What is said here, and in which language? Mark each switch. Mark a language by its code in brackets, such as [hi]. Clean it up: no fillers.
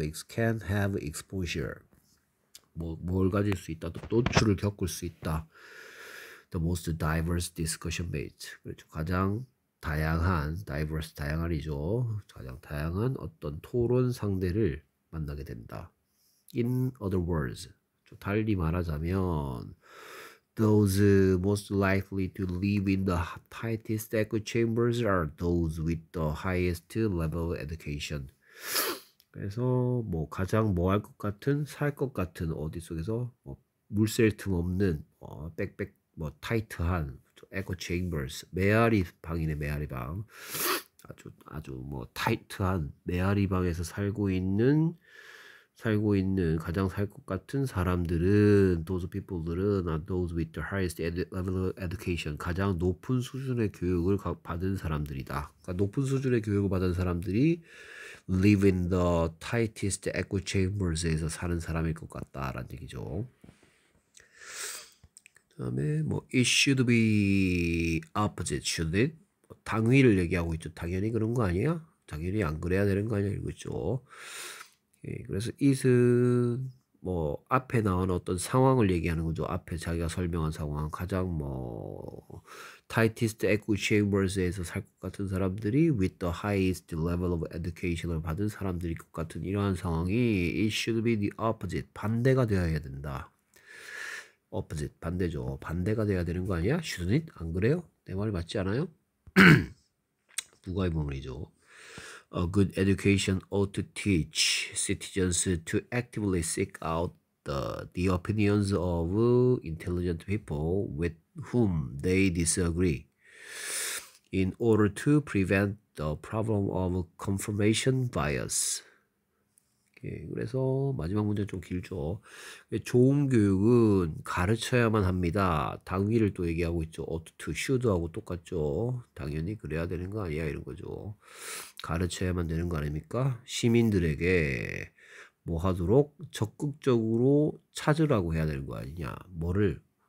[en] Can have exposure. [ko] 뭐뭘 가질 수 있다, 또 노출을 겪을 수 있다. [en] The most diverse discussion mate. [ko] 그렇죠. 가장 다양한 [en] diverse [ko] 다양한이죠. 가장 다양한 어떤 토론 상대를 만나게 된다. [en] In other words. [ko] 달리 말하자면, [en] those most likely to live in the tightest echo chambers are those with the highest level of education. [ko] 그래서 뭐 가장 뭐할것 같은, 살것 같은 어디 속에서 뭐 물샐 틈 없는 빽빽 뭐 타이트한 echo chambers, 메아리 방이네, 메아리 방. 아주 아주 뭐 타이트한 메아리 방에서 살고 있는 가장 살것 같은 사람들은 those people들은 [en] are those with the highest level of education, [ko] 가장 높은 수준의 교육을 받은 사람들이다. 그러니까 높은 수준의 교육을 받은 사람들이 [en] live in the tightest echo chambers [ko] 에서 사는 사람일 것 같다라는 얘기죠. 그다음에 뭐 [en] it should be opposite, shouldn't it? [ko] 당위를 얘기하고 있죠. 당연히 그런 거 아니야? 당연히 안 그래야 되는 거 아니야? 이거죠. 예, 그래서 it은 뭐 앞에 나온 어떤 상황을 얘기하는 거죠. 앞에 자기가 설명한 상황, 가장 뭐 tightest echo chambers에서 살것 같은 사람들이 [en] with the highest level of education [ko] 을 받은 사람들일 것 같은 이러한 상황이 [en] it should be the opposite, [ko] 반대가 되어야 된다. opposite 반대죠. 반대가 되어야 되는 거 아니야? [en] shouldn't it? [ko] 안 그래요? 내 말이 맞지 않아요? 누가의 부분이죠. [en] A good education ought to teach citizens to actively seek out the opinions of intelligent people with whom they disagree in order to prevent the problem of confirmation bias. [ko] 예, 그래서 마지막 문제 좀 길죠. 좋은 교육은 가르쳐야만 합니다. 당위를 또 얘기하고 있죠. [en] ought to, should [ko] 하고 똑같죠. 당연히 그래야 되는 거 아니야, 이런 거죠. 가르쳐야만 되는 거 아닙니까? 시민들에게 뭐 하도록 적극적으로 찾으라고 해야 되는 거 아니냐. 뭐를?